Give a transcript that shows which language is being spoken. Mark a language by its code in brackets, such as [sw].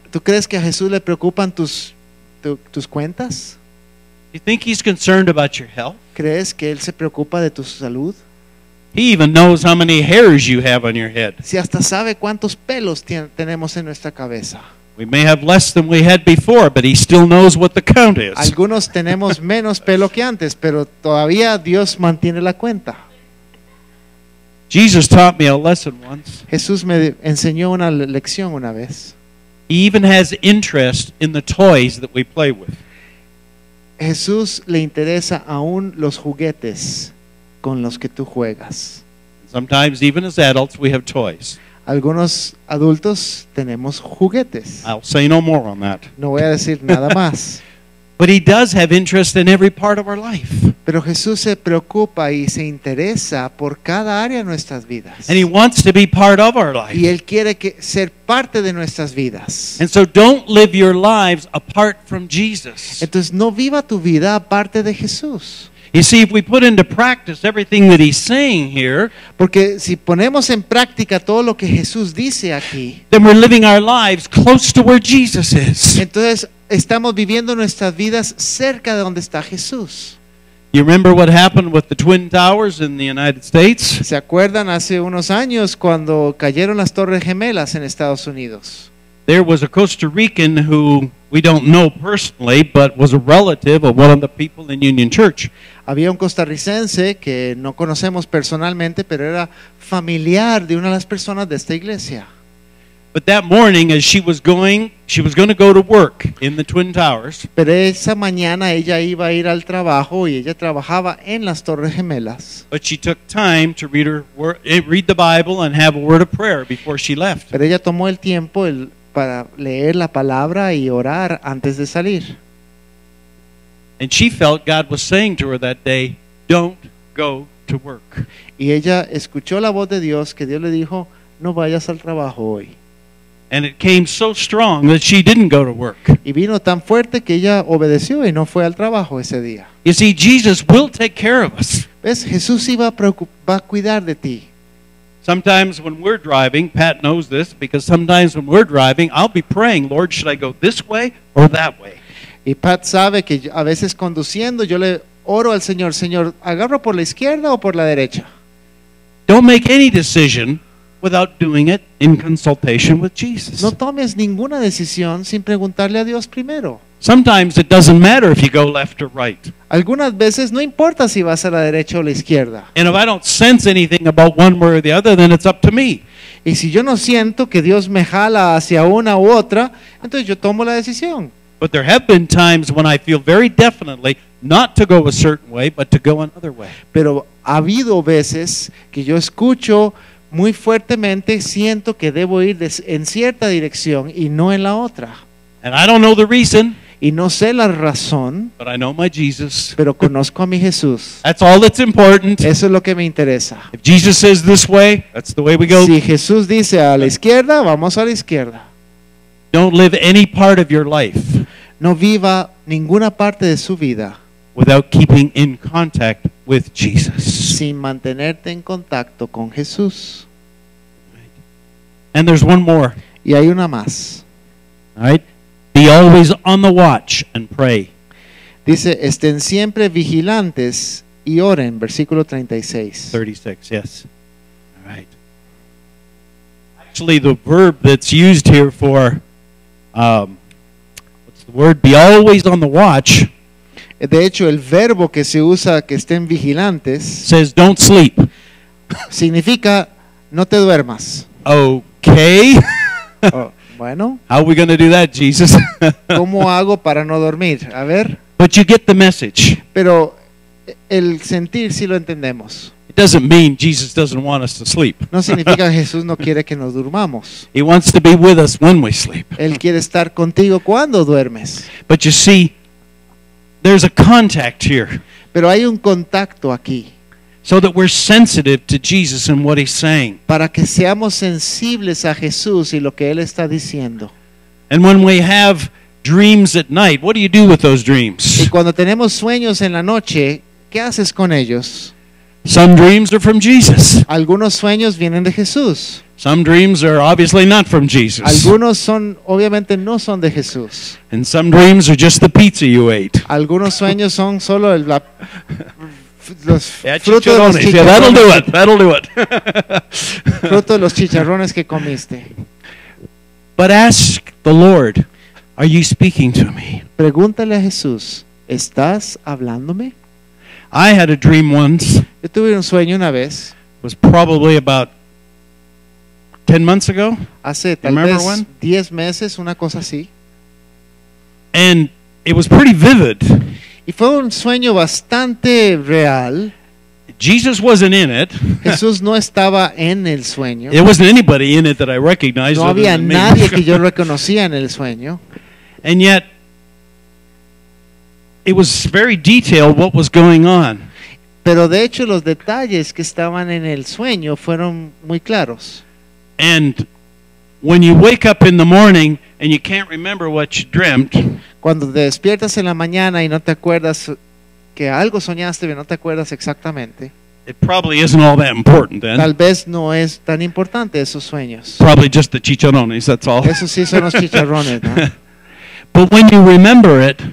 [es] ¿Tú crees que a Jesús le preocupan tus cuentas? [en] You think he's concerned about your health? [es] ¿Crees que él se preocupa de tu salud? [en] He even knows how many hairs you have on your head. [es] Si hasta sabe cuántos pelos tenemos en nuestra cabeza. [en] We may have less than we had before, but he still knows what the count is. [es] Algunos tenemos menos pelo que antes, pero todavía Dios mantiene la cuenta. [en] Jesus taught me a lesson once. [es] Jesús me enseñó una lección una vez. [en] He even has interest in the toys that we play with. [es] Jesús le interesa aún los juguetes con los que tú juegas. [en] Sometimes even as adults we have toys. [es] Algunos adultos tenemos juguetes. [en] I'll say no more on that. [es] No voy a decir nada más. [en] But he does have interest in every part of our life. [es] Pero Jesús se preocupa y se interesa por cada área de nuestras vidas. [en] And he wants to be part of our life. [es] Y él quiere ser parte de nuestras vidas. [en] And so don't live your lives apart from Jesus. [es] Entonces no viva tu vida aparte de Jesús. [en] You see, if we put into practice everything that he's saying here, [es] porque si ponemos en práctica todo lo que Jesús dice aquí, [en] then we're living our lives close to where Jesus is. [es] Entonces estamos viviendo nuestras vidas cerca de donde está Jesús. [en] You remember what happened with the Twin Towers in the United States? [es] ¿Se acuerdan hace unos años cuando cayeron las Torres Gemelas en Estados Unidos? [en] There was a Costa Rican who we don't know personally, but was a relative of one of the people in Union Church. [es] Había un costarricense que no conocemos personalmente, pero era familiar de una de las personas de esta iglesia. [en] But that morning, as she was going to go to work in the Twin Towers. [es] Pero esa mañana ella iba a ir al trabajo y ella trabajaba en las Torres Gemelas. [en] But she took time to read the Bible and have a word of prayer before she left. [es] Pero ella tomó el tiempo para leer la palabra y orar antes de salir. [en] And she felt God was saying to her that day, "Don't go to work." [es] Y ella escuchó la voz de Dios que Dios le dijo, no vayas al trabajo hoy. [en] And it came so strong that she didn't go to work. [es] Y vino tan fuerte que ella obedeció y no fue al trabajo ese día. [en] You see, Jesus will take care of us. [es] ¿Ves? Jesús iba va a cuidar de ti. [en] Sometimes when we're driving, Pat knows this, because sometimes when we're driving, I'll be praying, Lord, should I go this way or that way? [es] Y Pat sabe que a veces conduciendo yo le oro al Señor, Señor, ¿agarro por la izquierda o por la derecha? [en] Don't make any decision without doing it in consultation with Jesus. [es] No tomes ninguna decisión sin preguntarle a Dios primero. [en] Sometimes it doesn't matter if you go left or right. [es] Algunas veces no importa si vas a la derecha o la izquierda. [en] And if I don't sense anything about one way or the other, then it's up to me. [es] Y si yo no siento que Dios me jala hacia una u otra, entonces yo tomo la decisión. [en] But there have been times when I feel very definitely not to go a certain way, but to go another way. [es] Pero ha habido veces que yo escucho muy fuertemente, siento que debo ir en cierta dirección y no en la otra. [en] And I don't know the reason, [es] y no sé la razón, [en] but I know my Jesus. [es] Pero conozco a mi Jesús. [en] That's all that's important. [es] Eso es lo que me interesa. [en] If Jesus says this way, that's the way we go. [es] Si Jesús dice a la izquierda, vamos a la izquierda. [en] Don't live any part of your life. [es] No viva ninguna parte de su vida [en] without keeping in contact with Jesus. [es] Sin mantenerte en contacto con Jesús. [en] And there's one more. [es] Y hay una más. [en] All right. Be always on the watch and pray. [es] Dice, estén siempre vigilantes y oren, versículo 36. [en] 36, yes. All right. Actually, the verb that's used here for what's the word? Be always on the watch. [es] De hecho, el verbo que se usa, que estén vigilantes, [en] says don't sleep. [es] Significa no te duermas. [en] Okay. [es] Bueno. [en] How are we going to do that, Jesus? [es] ¿Cómo hago para no dormir? A ver. [en] But you get the message. [es] Pero el sentir sí lo entendemos. [en] It doesn't mean Jesus doesn't want us to sleep. [es] No significa que Jesús no quiere que nos durmamos. [en] He wants to be with us when we sleep. [es] Él quiere estar contigo cuando duermes. [en] But you see, there's a contact here. [es] Pero hay un contacto aquí. [en] So that we're sensitive to Jesus and what he's saying. [es] Para que seamos sensibles a Jesús y lo que él está diciendo. [en] And when we have dreams at night, what do you do with those dreams? [es] Y cuando tenemos sueños en la noche, ¿qué haces con ellos? [en] Some dreams are from Jesus. [es] Algunos sueños vienen de Jesús. [en] Some dreams are obviously not from Jesus. [es] Algunos son obviamente no son de Jesús. [en] And some dreams are just the pizza you ate. [es] Algunos sueños son solo el la los [en] that'll do it. That'll do it. [es] Fruto de los chicharrones que comiste. [en] But ask the Lord, are you speaking to me? [es] Pregúntale a Jesús, ¿estás hablándome? [en] I had a dream once. [es] Yo tuve un sueño una vez. [en] It was probably about 10 months ago. [es] Hace tal vez 10 meses, una cosa así. [en] And it was pretty vivid. [es] Y fue un sueño bastante real. [en] Jesus wasn't in it. [es] Jesús no estaba en el sueño. [en] There wasn't anybody in it that I recognized. [es] No había nadie que yo reconocía en el sueño. [en] And yet it was very detailed what was going on. [es] Pero de hecho los detalles que estaban en el sueño fueron muy claros. [en] And when you wake up in the morning and you can't remember what you dreamt, [es] cuando te despiertas en la mañana y no te acuerdas que algo soñaste, pero no te acuerdas exactamente, [en] it probably isn't all that important then. [es] Tal vez no es tan importante esos sueños. [en] Probably just the chicharrones, that's all. [es] Eso sí son los chicharrones, ¿no? [en] But when you remember it,